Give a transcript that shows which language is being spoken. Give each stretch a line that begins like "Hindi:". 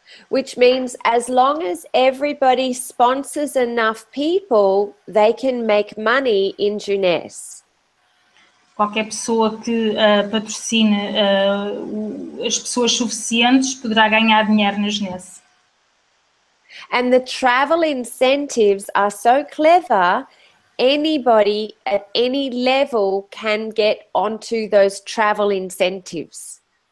English: Which means as long as everybody sponsors enough people, they can make money in Junes.
Portuguese: Qualquer pessoa que patrocine as pessoas suficientes poderá ganhar dinheiro na Junes.
English: And the travel incentives are so clever, anybody at any level can get onto those travel incentives.